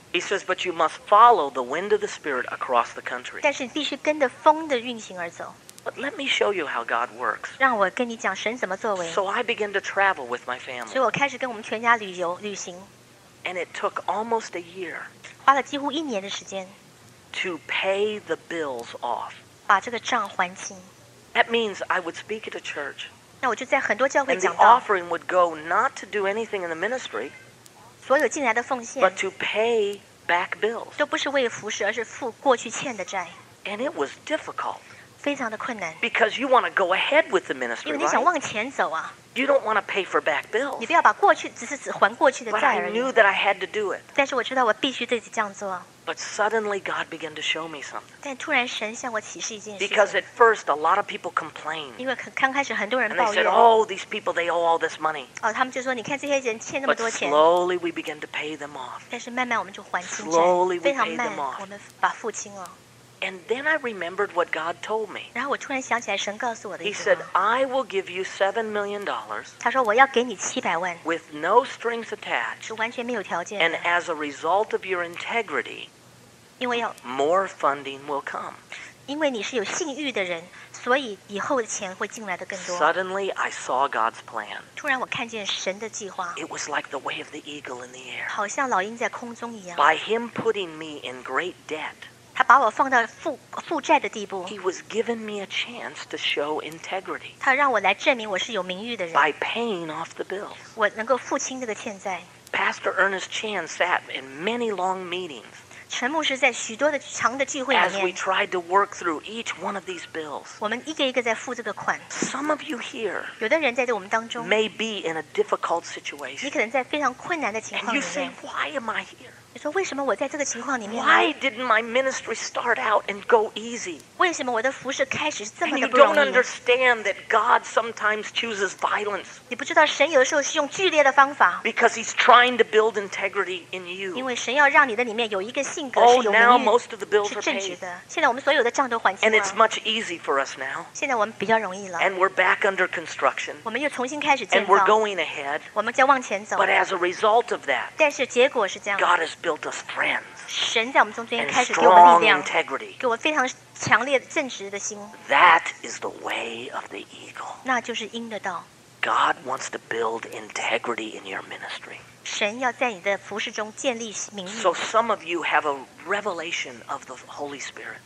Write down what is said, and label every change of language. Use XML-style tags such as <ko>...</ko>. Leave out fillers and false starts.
<en>He says, but you must follow the wind of the Spirit across the country.</en> <zh>但是你必须跟着风的运行而走。</zh> <en>But let me show you how God works.</en> <zh>让我跟你讲神怎么作为。</zh> <en>So I began to travel with my family.</en> <zh>所以我开始跟我们全家旅行。</zh> <en>And it took almost a year.</en> <zh>花了几乎一年的时间。</zh> <en>To pay the bills off.</en> <zh>把这个账还清。</zh> <en>That means I would speak at a church.</en> <zh>那我就在很多教会讲</zh> <en>道。And the offering would go not to do anything in the ministry.</en> <zh>所有进来的奉献。</zh> <en>But to pay back bills.</en> <zh>都不是为服侍，而是付过去欠的债。</zh> <en>And it was difficult.</en> <zh>非常的困难</zh> <en>because you want to go ahead with the ministry,</en> <zh>因为你想往前走啊</zh> <en>You don't want to pay for back bills.</en> <zh>你不要把过去只是只还过去的债而已</zh> <en>But I knew that I had to do it.</en> <zh>但是我知道我必须得这样做</zh> <en>But suddenly God began to show me something.</en> <zh>但突然神向我启示一件事</zh> <en>Because at first a lot of people complained.</en> <zh>因为刚开始很多人抱怨</zh> <en>And they said, oh, these people, they owe all this money.</en> <zh>哦，他们就说你看这些人欠那么多钱</zh> <en>But slowly we began to pay them off.</en> <zh>但是慢慢我们就还清债</zh> <en>Slowly we paid them off.</en> <zh>我们把付清了</zh> <en>And then I remembered what God told me.</en> <zh>然后我突然想起来神告诉我的一句话。</zh> <en>He said, I will give you $7 million.</en> <zh>他说我要给你700万。</zh> <en>With no strings attached.</en> <zh>是完全没有条件的。</zh> <en>And as a result of your integrity,</en> <zh>因为要</zh> <en>more funding will come.</en> <zh>因为你是有信誉的人，所以以后的钱会进来的更多。</zh> <en>Suddenly, I saw God's plan.</en> <zh>突然我看见神的计划。</zh> <en>It was like the way of the eagle in the air.</en> <zh>好像老鹰在空中一样。</zh> <en>By Him putting me in great debt.</en> <zh>他把我放到负债的地步。</zh> <en>He was giving me a chance to show integrity.</en> <zh>他让我来证明我是有名誉的人。</zh> <en>By paying off the bills.</en> <zh>我能够付清这个欠债。</zh> <en>Pastor Ernest Chan sat in many long meetings.</en> <zh>陈牧师在许多的长的聚会里面。</zh> <en>As we tried to work through each one of these bills.</en> <zh>我们一个一个在付这个款。</zh> <en>Some of you here.</en> <zh>有的人在我们当中。</zh> <en>May be in a difficult situation.</en> <zh>你可能在非常困难的情况里面。</zh> <en>And you say, why am I here?</en> <zh>你说为什么我在这个情况里面</zh> <en>？Why didn't my ministry start out and go easy？</en> <zh>为什么我的服事开始是这么的不容易</zh> <en>？And you don't understand that God sometimes chooses violence。</en> <zh>你不知道神有的时候是用剧烈的方法。</zh> <en>Because He's trying to build integrity in you。</en> <zh>因为神要让你的里面有一个性格是有名誉。</zh> <en>Oh, now most of the bills are paid。</en> <zh>是正直的。现在我们所有的账都还清了。</zh> <en>And it's much easy for us now。</en> <zh>现在我们比较容易了。</zh> <en>And we're back under construction。</en> <zh>我们又重新开始建造。</zh> <en>And we're going ahead。</en> <zh>我们在往前走。</zh> <en>But as a result of that。</en> <zh>但是结果是这样。</zh> <en>God has built us friends.</en> <zh>神在我们中间开始给我们力量</zh> <en>integrity.</en> <zh>给我非常强烈正直的心</zh> <en>That is the way of the eagle.</en> <zh>那就是鹰的道</zh> <en>God wants to build integrity in your ministry.</en> <zh>神要在你的服事中建立名誉</zh> <en>So some of you have a revelation of the Holy Spirit.</en>